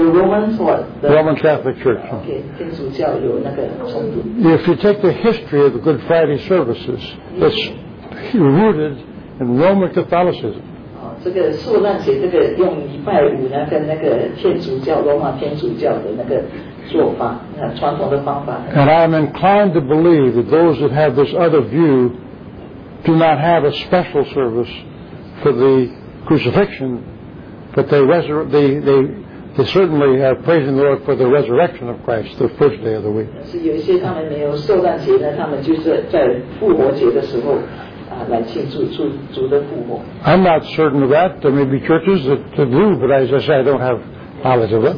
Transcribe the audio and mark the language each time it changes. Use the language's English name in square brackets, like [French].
[English] Roman Catholic Church. If you take the history of the Good Friday services, it's rooted in Roman Catholicism. [Chinese] 这个受难节，这个用礼拜五那个天主教罗马天主教的那个做法，那传统的方法。 [English] And I am inclined to believe that those that have this other view do not have a special service for the crucifixion, but they certainly are praising the Lord for the resurrection of Christ, the first day of the week. [Chinese] 是有一些他们没有受难节呢，他们就是在复活节的时候。 [English] I'm not certain of that. There may be churches that do, but as I say, I don't have knowledge of it.